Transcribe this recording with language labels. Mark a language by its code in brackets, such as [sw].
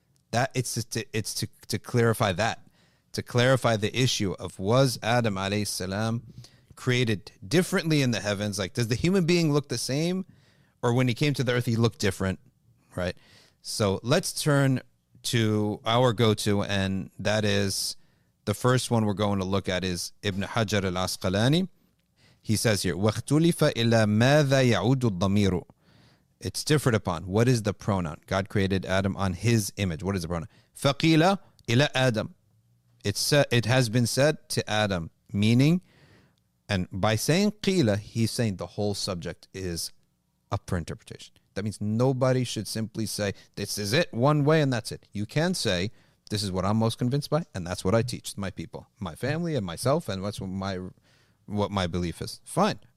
[en] That it's to clarify that, to clarify the issue of, was Adam alayhi salam created differently in the heavens? Like, does the human being look the same, or when he came to the earth, he looked different, right? So let's turn to our go-to, and that is the first one we're going to look at is Ibn Hajar al-Asqalani. He says here, [ar] وَاخْتُلِفَ إِلَى مَاذَا يَعُودُ الضَّمِيرُ. [en] It's differed upon. What is the pronoun? God created Adam on his image. What is the pronoun? [ar] فَقِيلَ إِلَى Adam. [en] It has been said to Adam, meaning, and by saying قِيلَ, he's saying the whole subject is up for interpretation. That means nobody should simply say, this is it, one way, and that's it. You can say, this is what I'm most convinced by, and that's what I teach my people, my family, and myself, and what's what my belief is. Fine.